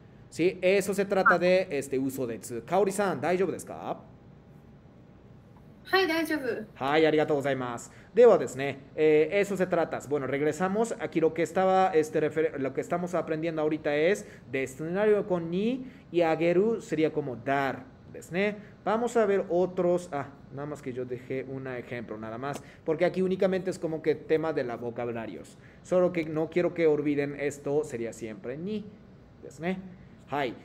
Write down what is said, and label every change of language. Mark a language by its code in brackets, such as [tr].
[es] Sí, eso se trata de este uso de 2. [ja] Kaori San, 大丈夫ですか？はい、大丈夫。はい、ありがとうございます。ではですね、 [es] eso se trata. Bueno, regresamos. Aquí lo que estaba, lo que estamos aprendiendo ahorita es destinario con ni y ageru sería como dar, ¿ves? Vamos a ver otros. Ah, nada más que yo dejé un ejemplo, nada más. Porque aquí únicamente es como que tema de los vocabularios. Solo que no quiero que olviden esto, sería siempre ni, ¿ves? Hay.